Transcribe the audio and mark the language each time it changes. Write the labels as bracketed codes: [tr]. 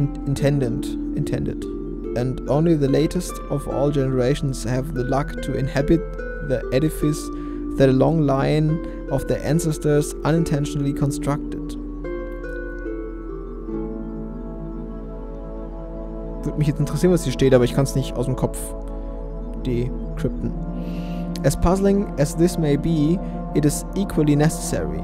[en] The edifice that nature intended. And only the latest of all generations have the luck to inhabit the edifice that a long line of their ancestors unintentionally constructed. [de] Würde mich jetzt interessieren, was hier steht, aber ich kann es nicht aus dem Kopf decrypten. [en] As puzzling as this may be, it is equally necessary.